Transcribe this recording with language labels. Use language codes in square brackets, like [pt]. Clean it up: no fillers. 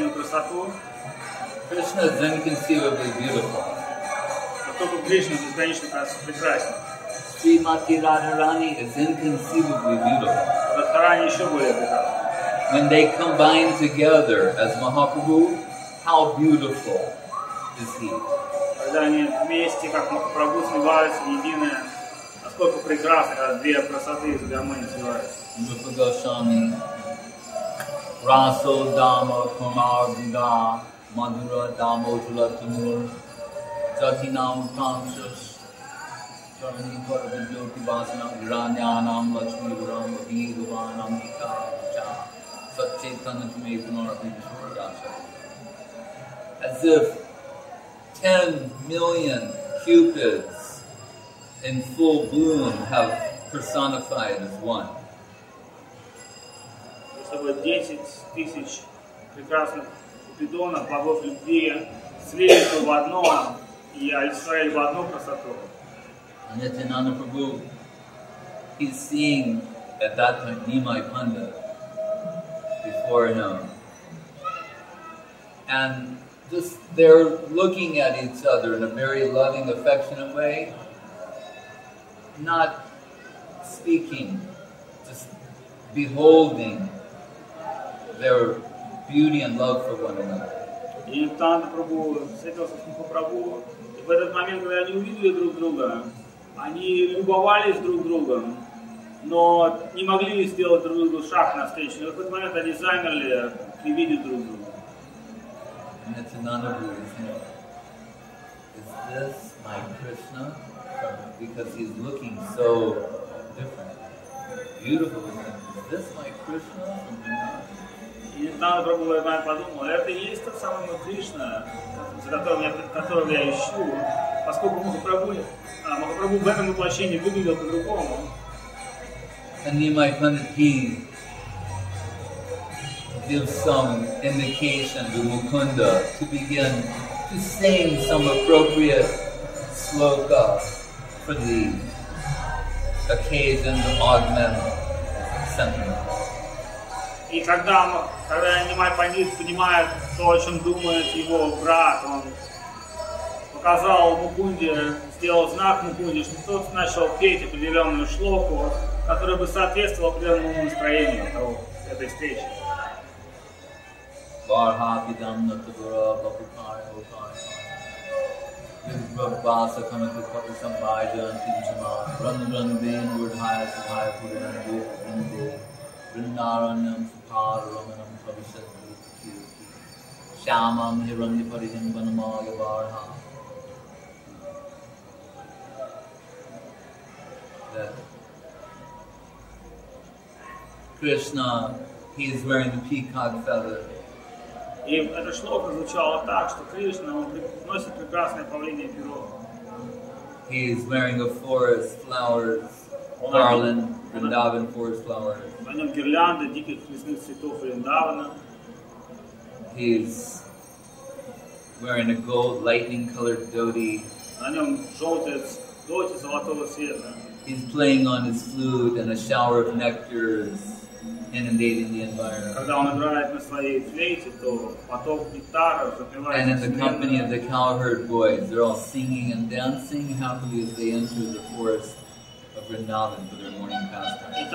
[en] Krishna is inconceivably beautiful. Srimati Radharani is inconceivably beautiful. When they combine together as Mahaprabhu, how beautiful is he? [ru] когда они вместе, как Махапрабху сливаются, единое. Насколько прекрасно, когда две красоты из гармонии сливаются. Мухагашами. Расо дама камар бига. Мадура дама утула тимур. Чати нам камшас. Чарни парабин йоти басана. Граньянам лачми урам. Ви дуванам вика. [en] As if 10 million cupids in full bloom have personified as one. [ru] Если бы 10 тысяч прекрасных купидонов, богов любви, слились в одно и олицетворили в одну красоту. [en] And yet Ananda Prabhu, he's seeing at that time Nimai Pandit. Before him, and just they're looking at each other in a very loving, affectionate way, not speaking, just beholding their beauty and love for one another. [ru] И там Прабху встретился с Махапрабху, и в этот момент, когда они увидели друг друга, они любовались друг другом. Но не могли сделать друг другу шаг навстречу. И в этот момент они замерли и видели друг друга. И это [en] Нанабу, is this my Krishna? Because he's looking so different. Beautiful. Is this my Krishna? [ru] И Нанабу подумал, это и есть тот самый мой Кришна, которого я ищу. Поскольку Махапрабху в этом воплощении выглядел по-другому. [en] And Nimai Pandit, he gives some indication to Mukunda to begin to sing some appropriate sloka for the occasion to augment sentiment. [ru] И когда Nimai Pandit понимает то, о чем думает его брат, он показал Мукунде, сделал знак Мукунде, что тот начал петь определенную шлоку, который бы соответствовал определенному настроению этой встречи. Барха бидам натабара бапукаре бапукаре Бабаса камеку пати самбайджа антинчама Рандрандин урдхая сухая пудан бухинде Риндараньям сухар раманам кавишат бухи Шамам хиранди паридин банамага барха. [en] Krishna, he is wearing the peacock feather. [ru] И эта шлока звучала так, что Кришна, он носит прекрасное павлинье перо. [en] He is wearing a forest flowers, garland, Vrindavan forest flowers. [ru] На нем гирлянда диких лесных цветов Вриндавана. [en] He is wearing a gold lightning-colored dhoti. [ru] На нем желтая дхоти золотого цвета. [en] He's playing on his flute and a shower of nectar is inundating the environment. [ru] Когда он играет на своей флейте, то поток нектара запивает. [en] And in the company of the cowherd boys, they're all singing and dancing happily as they enter the forest of Vrindavan for their morning pastime.